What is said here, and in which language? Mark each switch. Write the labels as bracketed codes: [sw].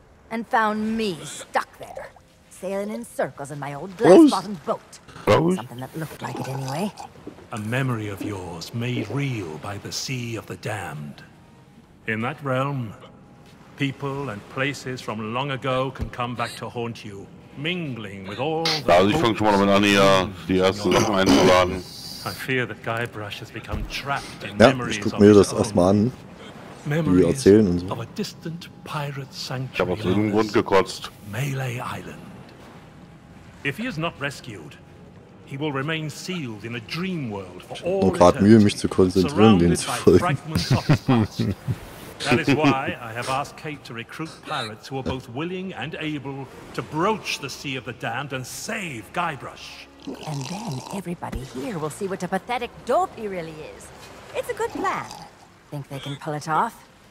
[en] And found me stuck there, sailing in circles in my old glass-bottomed boat. Something that looked like it anyway. A memory of yours made real by the Sea of the Damned. In that realm, people and places from long ago can come back to haunt you, mingling with all the... [de] Also ich fange schon mal an, die erste Sache einzuladen. [en] I fear that Guybrush has become trapped in memories of his own. [de] Erst mal an, memories und so. [en] Of a distant pirate sanctuary. [de] Ich habe aus irgendeinem Grund gekotzt. [en] Malay Island. If he is not rescued, he will remain sealed in a dream world for all eternity. [de] Ich habe gerade Mühe, mich zu konzentrieren, den zu folgen. [en] That is why I have asked Kate to recruit pirates who are both willing and able to broach the Sea of the Damned and save Guybrush. And then everybody here will see what a pathetic dope he really is. It's a good plan. Think they can pull it off?